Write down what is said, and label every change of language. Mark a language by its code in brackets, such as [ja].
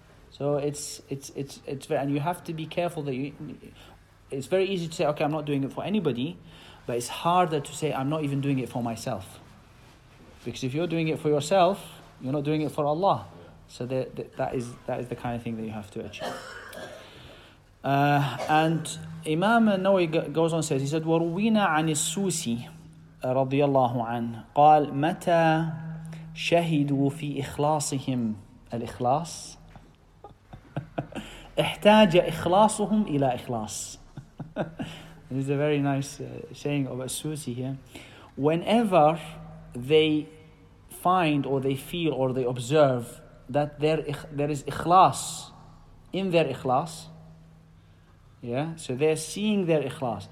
[en] So it's very, and you have to be careful that it's very easy to say, okay, I'm not doing it for anybody, but it's harder to say, I'm not even doing it for myself. Because if you're doing it for yourself, you're not doing it for Allah. So that is the kind of thing that you have to achieve. And Imam An-Nawawi goes on and says, he said, [ar] وَرُوِّنَا عَنِ السُّوسِ رَضِيَ اللَّهُ عَنْهُ قَالْ مَتَى شَهِدُوا فِي إِخْلَاصِهِمْ الْإِخْلَاصِ احْتَاجَ إِخْلَاصُهُمْ إِلَى إِخْلَاصِ. [en] This is a very nice saying of As-Susi here. Whenever they find or they feel or they observe that there is ikhlas in their ikhlas, yeah, so they're seeing their ikhlas.